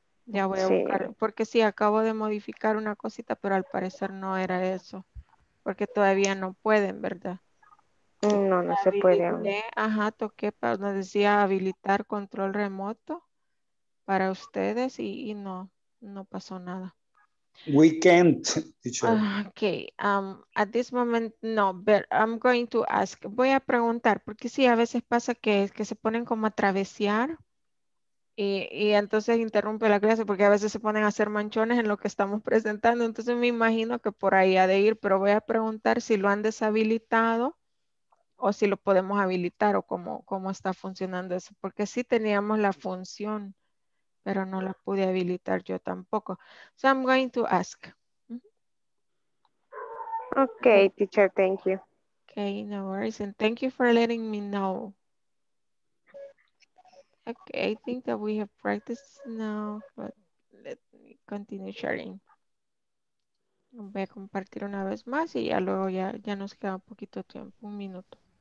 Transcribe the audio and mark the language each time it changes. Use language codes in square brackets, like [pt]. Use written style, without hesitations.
[es] Ya voy a buscar, porque sí, acabo de modificar una cosita, pero al parecer no era eso, porque todavía no pueden, ¿verdad? No se puede. Ajá, toqué, pero nos decía habilitar control remoto para ustedes y no pasó nada. [en] We can't. Okay. At this moment, no, but I'm going to ask. [es] Voy a preguntar, porque sí, a veces pasa que se ponen como a travesear y entonces interrumpe la clase porque a veces se ponen a hacer manchones en lo que estamos presentando. Entonces me imagino que por ahí ha de ir, pero voy a preguntar si lo han deshabilitado o si lo podemos habilitar o cómo está funcionando eso. Porque sí teníamos la función, pero no la pude habilitar yo tampoco. [en] So I'm going to ask. Okay, teacher, thank you. Okay, no worries. And thank you for letting me know. Okay, I think that we have practiced now, but let me continue sharing. [es] Voy a compartir una vez más y ya luego ya nos queda un poquito tiempo, un minuto.